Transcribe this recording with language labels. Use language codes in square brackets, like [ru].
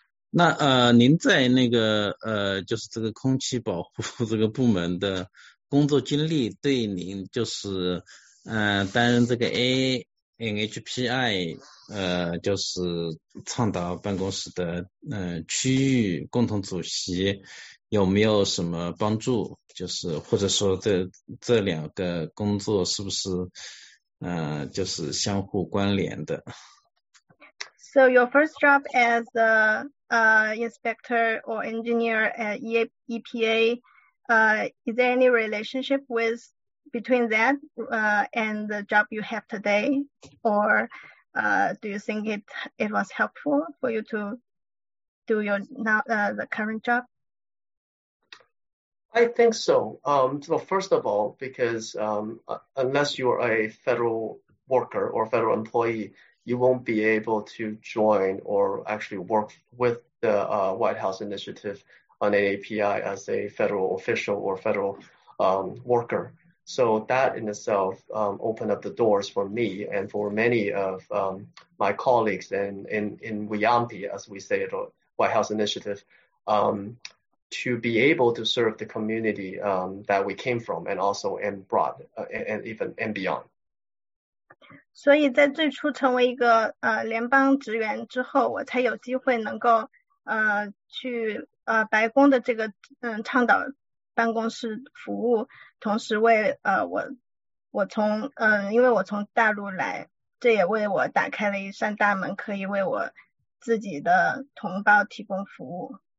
[zh] 那您在那个就是这个空气保护这个部门的工作经历，对您就是担任这个 ANHPI 就是倡导办公室的区域共同主席有没有什么帮助，就是或者说这两个工作是不是就是相互关联的。 [en] So your first job as a inspector or engineer at EPA, is there any relationship between that and the job you have today, or do you think it was helpful for you to do your now the current job? I think so. So first of all, because unless you are a federal worker or federal employee, you won't be able to join or actually work with the White House Initiative on ANHPI as a federal official or federal worker. So that in itself opened up the doors for me and for many of my colleagues in WIAMPI, as we say it, White House Initiative, to be able to serve the community that we came from and also and brought and beyond. [zh] 所以在最初成为一个联邦职员之后，我才有机会能够去白宫的这个倡导办公室服务，同时为我从因为我从大陆来，这也为我打开了一扇大门，可以为我自己的同胞提供服务。